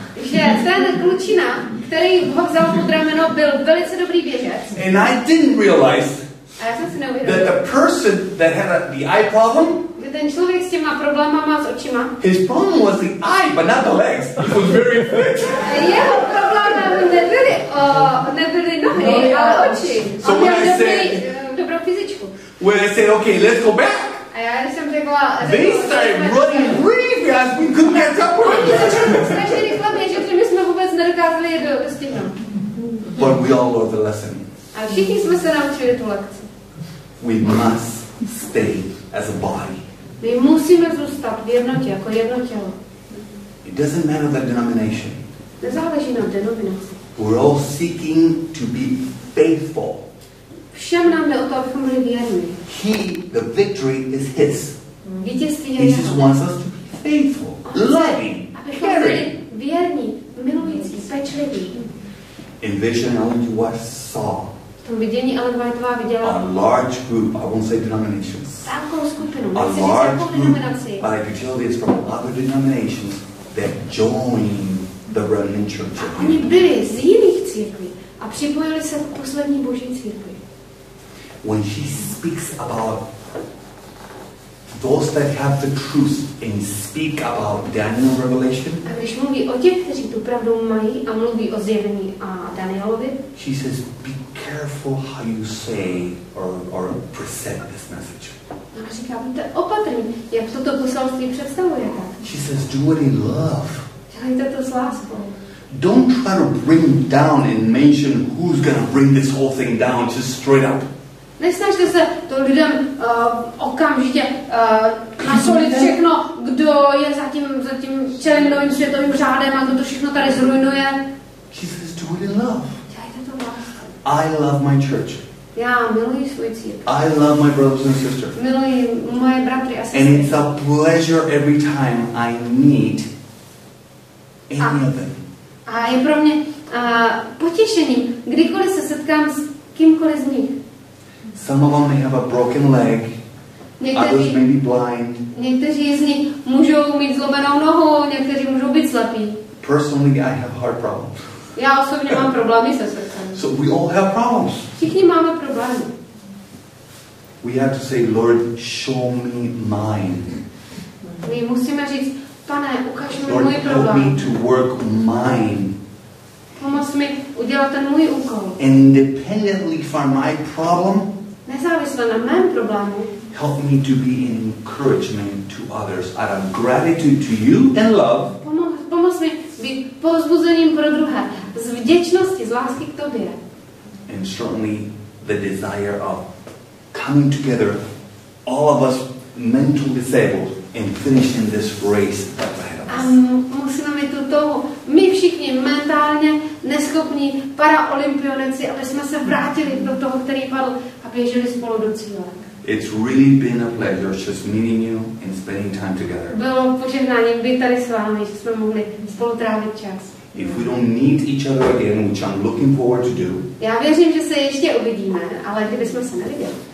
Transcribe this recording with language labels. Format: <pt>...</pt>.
<cs>Že ten klučina, který ho vzal pod rameno, byl velice dobrý běžec.</cs> <en>And I didn't realize that the person that had the eye problem,</en> <cs>ten člověk s těma problémama s očima,</cs> <en>his problem was the eye, but not the legs. He was very fit.</en> <cs>Jeho problémem nebyly nebyly nohy, ale oči.</cs> <en>So when I said,</en> <cs>dobrou fyzičku.</cs> <en>When I said, okay, let's go back.</en> <cs>A já jsem řekla,</cs> <en>they started running really fast, we couldn't catch up with them.</en> <cs>Strašně rychle běžet, že my jsme vůbec nedokázali je dostihnout.</cs> <en>But we all learned the lesson.</en> <cs>A všichni jsme se naučili tu lekci.</cs> <en>We must stay as a body.</en> <cs>My musíme zůstat v jednotě, jako jedno tělo.</cs> <en>It doesn't matter the denomination.</en> <cs>Nezáleží na denominaci.</cs> <en>We're all seeking to be faithful.</en> <cs>Všem nám jde o to, abychom byli věrní.</cs> <en>He, the victory is his.</en> <cs>Vítězství je jeho.</cs> <en>He just wants us to be faithful, loving, caring.</en> <cs>Věrní, milující, pečlivý.</cs> <en>In vision, Ellen White was saw.</en> <cs>V tom vidění Ellen Whiteová viděla.</cs> <en>A large group, I won't say denominations.</en> <cs>Velkou skupinu.</cs> <en>A large group, but I could tell it's from other denominations that joined the remnant church.</en> <cs>Oni byli z jiných církví a připojili se k poslední Boží církvi.</cs> <en>When she speaks about those that have the truth and speak about Daniel revelation,</en> <cs>a když mluví o těch, kteří tu pravdu mají a mluví o zjevení a Danielovi,</cs> <en>she says, be careful how you say or present this message.</en> <cs>A říká, buďte opatrní, jak toto poselství představujete.</cs> <en>She says, do it in love.</en> <cs>Dělejte to s láskou.</cs> <en>Don't try to bring down and mention who's gonna bring this whole thing down, just straight up.</en> <cs>Nesnažte se to lidem okamžitě nasolit všechno, kdo je za tím čelým novým světovým řádem a kdo to všechno tady zrujnuje.</cs> <en>She says, do it in love.</en> <cs>Dělejte to vlastně.</cs> <en>I love my church.</en> <cs>Já miluji svůj církev.</cs> <en>I love my brothers and sisters.</en> <cs>Miluji moje bratry a sestry.</cs> <en>And it's a pleasure every time I meet any of them.</en> <cs>A je pro mě potěšením, kdykoliv se setkám s kýmkoliv z nich.</cs> <en>Some of them may have a broken leg. Others may be blind.</en> <cs>Někteří z nich můžou mít zlomenou nohu, někteří můžou být slepí.</cs> <en>Personally, I have heart problems.</en> <cs>Já osobně mám problémy se srdcem.</cs> <en>So we all have problems.</en> <cs>Všichni máme problémy.</cs> <en>We have to say, Lord, show me mine.</en> <cs>My musíme říct, Pane, ukaž mi můj problém.</cs> <en>Lord, help me to work mine.</en> <cs>Pomoz mi udělat ten můj úkol.</cs> <en>Independently from my problem.</en> <cs>Nezávisle na mém problému.</cs> <en>Help me to be an encouragement to others out of gratitude to you and love.</en> <cs>Pomoz mi být povzbuzením pro druhé z vděčnosti, z lásky k tobě.</cs> <en>And certainly the desire of coming together, all of us mentally disabled, and finishing this race that's ahead of us.</en> <cs>A musíme mít tu touhu. My všichni mentálně neschopní paraolympionici, aby jsme se vrátili do toho, který padl, a běželi spolu do cíle.</cs> <en>It's really been a pleasure just meeting you and spending time together.</en> <cs>Bylo požehnáním být tady s vámi, že jsme mohli spolu trávit čas.</cs> <en>If we don't meet each other again, which I'm looking forward to do.</en> <cs>Já věřím, že se ještě uvidíme, ale kdybychom se neviděli.</cs>